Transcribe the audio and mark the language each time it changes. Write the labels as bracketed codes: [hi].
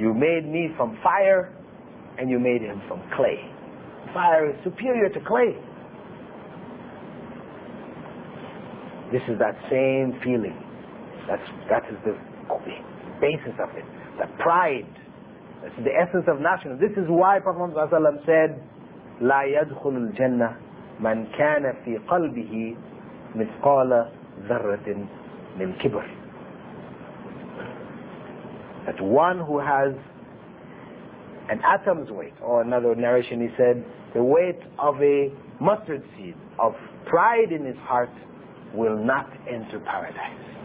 [en] You made me from fire and you made him from clay. Fire is superior to clay. This is that same feeling. That is the basis of it. The pride. That's the essence of nationalism. This is why Prophet Muhammad ﷺ said, [ar] لَا يَدْخُلُ الْجَنَّةِ مَنْ كَانَ فِي قَلْبِهِ مِثْقَالَ ذَرَّةٍ مِنْ كِبْرٍ. [en] That one who has an atom's weight, or another narration he said, the weight of a mustard seed, of pride in his heart, will not enter paradise.